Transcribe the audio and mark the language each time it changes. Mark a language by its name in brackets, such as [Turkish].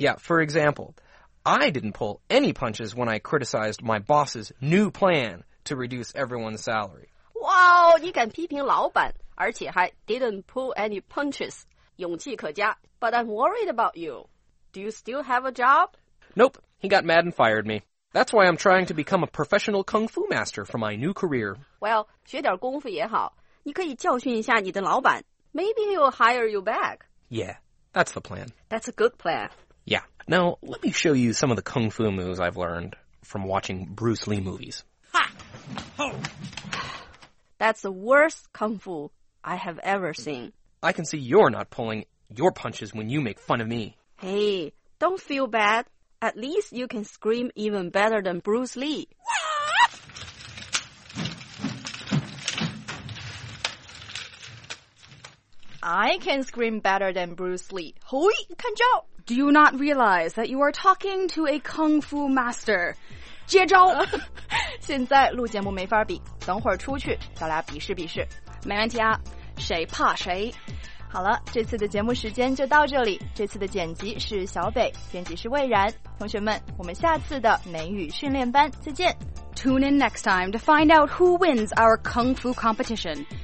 [English] Yeah, for example... I didn't pull any punches when I criticized my boss's new plan to reduce everyone's salary. [Chinese] Wow, 你敢批评老板，而且还 [English] didn't pull any punches, [Chinese] 勇气可嘉。 [English] But I'm worried about you. Do you still have a job? Nope, he got mad and fired me. That's why I'm trying to become a professional kung fu master for my new career. [Chinese] Well, 学点功夫也好，你可以教训一下你的老板。 [English] Maybe he'll hire you back. Yeah, that's the plan. That's a good plan. Yeah. Now, let me show you some of the kung fu moves I've learned from watching Bruce Lee movies. Ha! Ho! That's the worst kung fu I have ever seen. I can see you're not pulling your punches when you make fun of me. Hey, don't feel bad. At least you can scream even better than Bruce Lee. I can scream better than Bruce Lee. Hui, [Chinese] 看招！ [English] Do you not realize that you are talking to a kung fu master? [Chinese] 接招！现在录节目没法比，等会儿出去，咱俩比试比试。没问题啊，谁怕谁？好了，这次的节目时间就到这里。这次的剪辑是小北，编辑是蔚然。同学们，我们下次的美语训练班再见。 [English] Tune in next time to find out who wins our kung fu competition.